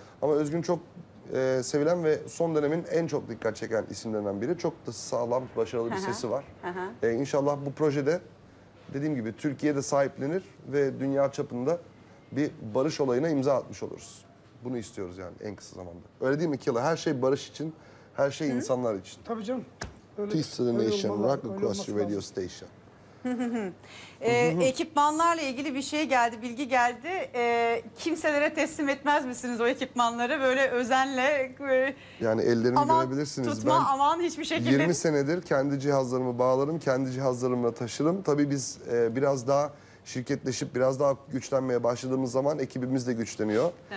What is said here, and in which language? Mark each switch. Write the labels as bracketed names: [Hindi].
[Turkish] Ama Özgün çok sevilen ve son dönemin en çok dikkat çeken isimlerinden biri. Çok da sağlam, başarılı bir sesi var. İnşallah bu projede dediğim gibi Türkiye'de sahiplenir ve dünya çapında bir barış olayına imza atmış oluruz. Bunu istiyoruz yani en kısa zamanda. Öyle değil mi Kila? Her şey barış için, her şey insanlar için. Tabii canım. [English] Peace to the nation, rock across your radio station. [Turkish] ekipmanlarla ilgili bir şey geldi, bilgi geldi. Kimselere teslim etmez misiniz o ekipmanları böyle özenle? Yani ellerimi görebilirsiniz. Tutma, ben aman hiçbir şekilde. 20 senedir kendi cihazlarımı bağlarım, kendi cihazlarımla taşırım. Tabii biz biraz daha şirketleşip biraz daha güçlenmeye başladığımız zaman ekibimiz de güçleniyor.